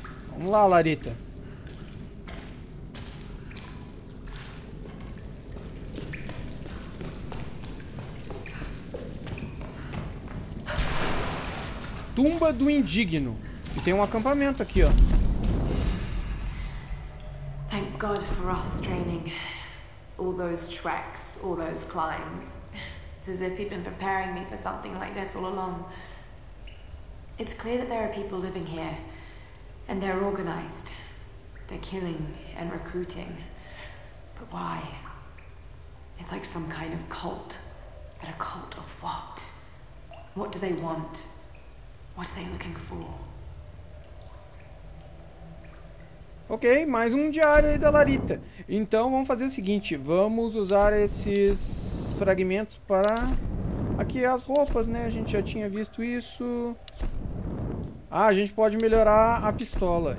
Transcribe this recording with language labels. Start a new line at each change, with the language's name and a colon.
Portuguese: Vamos lá, Larita. Tumba do Indigno. E tem um acampamento aqui, ó.
English: Thank God for Roth's training. All those treks, all those climbs. It's as if he'd been preparing me for something like this all along. It's clear that there are people living here. And they're organized. They're killing and recruiting. But why? It's like some kind of cult. But a cult of what? What do they want? What are they looking for?
Portuguese: Ok, mais um diário aí da Larita. Então vamos fazer o seguinte, vamos usar esses fragmentos para... Aqui as roupas, né? A gente já tinha visto isso. Ah, a gente pode melhorar a pistola.